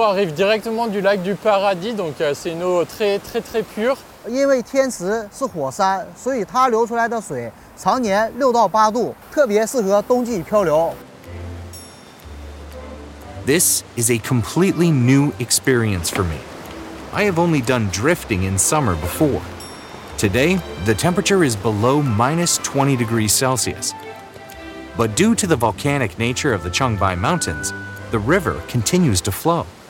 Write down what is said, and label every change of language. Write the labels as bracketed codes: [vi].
[fr] arrive directement du lac du Paradis, donc c'est une eau très très très pure. [zh] 因为天池是火山，所以它流出来的水常年6到8度，特别适合冬季漂流。 [en] This is a completely new experience for me. I have only done drifting in summer before. Today, the temperature is below -20°C. But due to the volcanic nature of the Changbai Mountains, the river continues to flow.